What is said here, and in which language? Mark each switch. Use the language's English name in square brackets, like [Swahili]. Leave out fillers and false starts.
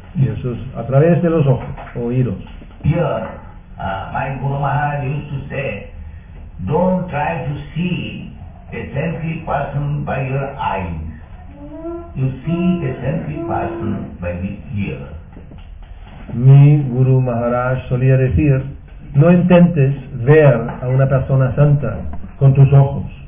[Spanish] Y eso es a través de los ojos, oídos. [English] Here, my Guru Maharaj used to say, don't try to see a sensitive person by your eyes. You see a sensitive person by the ear. [Spanish] Mi Guru Maharaj solía decir, no intentes ver a una persona santa con tus ojos.